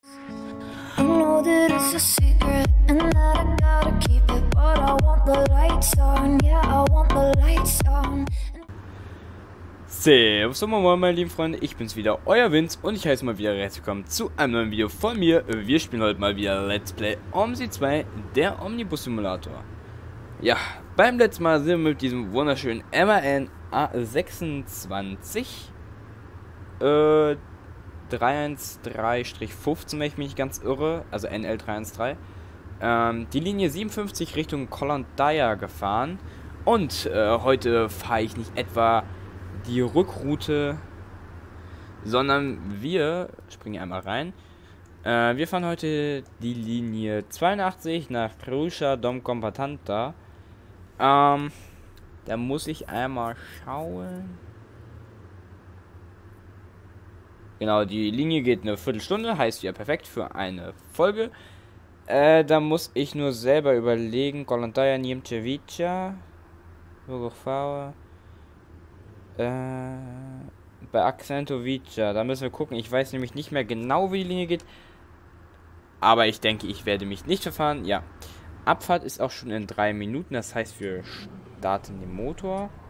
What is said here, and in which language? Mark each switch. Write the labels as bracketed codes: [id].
[en] I know that it's a secret and that I gotta keep it, but I want the lights on, yeah, I want the lights on. [de] Servus und moin, meine lieben Freunde, ich bin's wieder, euer Vince, und ich heiße mal wieder herzlich willkommen zu einem neuen Video von mir. Wir spielen heute mal wieder Let's Play OMSI 2, der Omnibus Simulator. Ja, beim letzten Mal sind wir mit diesem wunderschönen MAN A26 313-15, wenn ich mich nicht ganz irre, also NL313, die Linie 57 Richtung Kollontaja gefahren, und heute fahre ich nicht etwa die Rückroute, sondern wir springen einmal rein. Wir fahren heute die Linie 82 nach Krusha Dom Kompatanta. Da muss ich einmal schauen. Genau, die Linie geht eine Viertelstunde, heißt ja perfekt für eine Folge. Da muss ich nur selber überlegen. Kollontaja Niemczewica. Wogofawa. Bei Akcentovica, da müssen wir gucken. Ich weiß nämlich nicht mehr genau, wie die Linie geht. Aber ich denke, ich werde mich nicht verfahren. Ja, Abfahrt ist auch schon in 3 Minuten. Das heißt, wir starten den Motor.